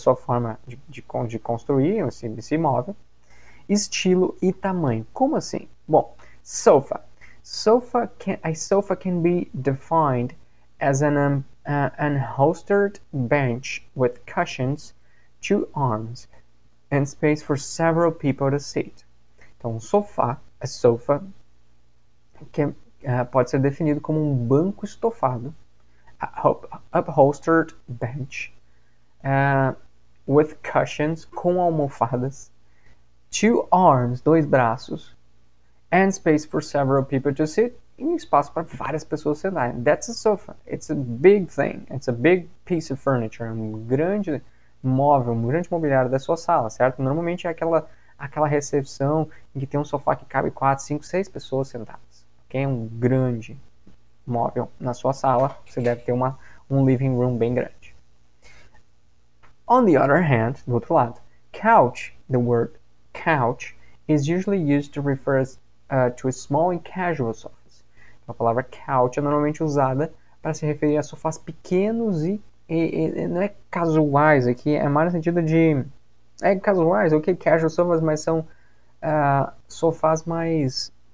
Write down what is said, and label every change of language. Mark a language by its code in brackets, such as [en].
[pt] Da sua forma de construir esse imóvel, estilo e tamanho. Como assim? Bom, sofa. [en] A sofa can be defined as an upholstered bench with cushions, two arms, and space for several people to sit. [pt] Então, sofá, a sofa, que pode ser definido como um banco estofado, [en] upholstered bench, with cushions, [pt] com almofadas, [en] two arms, [pt] dois braços, [en] and space for several people to sit, [pt] e um espaço para várias pessoas sentarem. [en] That's a sofa. It's a big thing. It's a big piece of furniture. [pt] Um grande móvel, um grande mobiliário da sua sala, certo? Normalmente é aquela recepção em que tem um sofá que cabe 4, 5, 6 pessoas sentadas. Que é um grande móvel na sua sala, você deve ter um living room bem grande. [en] On the other hand, [pt] do outro lado, [en] couch, the word couch, is usually used to refer to a small and casual sofas. [pt] A palavra couch é normalmente usada para se referir a sofás pequenos e não é casuais aqui, é mais no sentido de. É casuais, ok, casual sofas, mas são sofás mais.